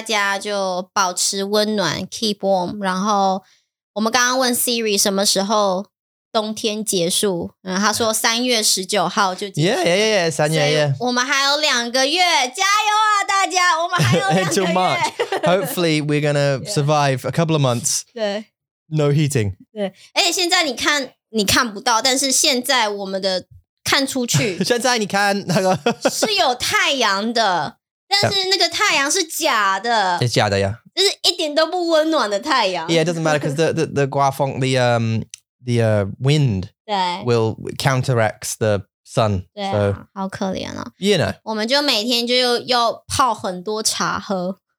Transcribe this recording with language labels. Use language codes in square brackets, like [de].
[zh] 这是一个还蛮难过的一个消息,对我们来说,对大家来说,所以大家就保持温暖, [en] keep warm. [zh] 然后我们刚刚问Siri什么时候冬天结束, 他说3月19号就结束。 [en] Yeah, yeah, yeah, 3月, yeah. [zh] 我们还有2个月, 加油啊,大家, 我们还有2个月。 [en] Until March. Hopefully, we're going to survive a couple of months. [zh] 对。 [en] No heating. [zh] 对,而且现在你看不到, 但是现在我们的 看出去, 现在你看, 那个, 是有太阳的, 但是那个太阳是假的, 是假的, yeah. 就是一点都不温暖的太阳。 [en] Yeah, it doesn't matter, because the [zh] 刮风, [en] the wind [zh] 对, [en] will counteract the sun. [zh] 对啊, so, 好可怜啊。 [en] You know. [zh] 我们就每天就要泡很多茶喝。